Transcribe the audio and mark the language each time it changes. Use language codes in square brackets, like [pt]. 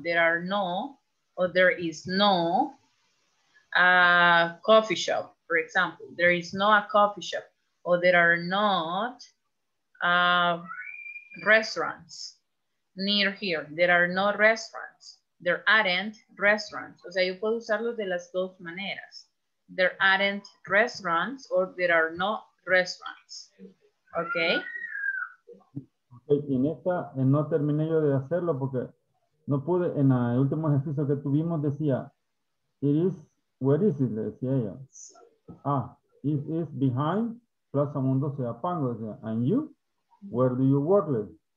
[en] There are no, o there is no, a coffee shop, for example. There is no a coffee shop, o there are not restaurants near here. There are no restaurants. There aren't restaurants. [es] O sea, yo puedo usarlo de las dos maneras. [en] There aren't restaurants, or there are no restaurants. Okay. [es] En esta no terminé yo de hacerlo porque no pude. En el último ejercicio que tuvimos decía, [en] it is, where is it? [es] Le decía ella. [en] Ah, it is behind Plaza Mundo Seapango. [es] Decía, [en] and you, where do you work?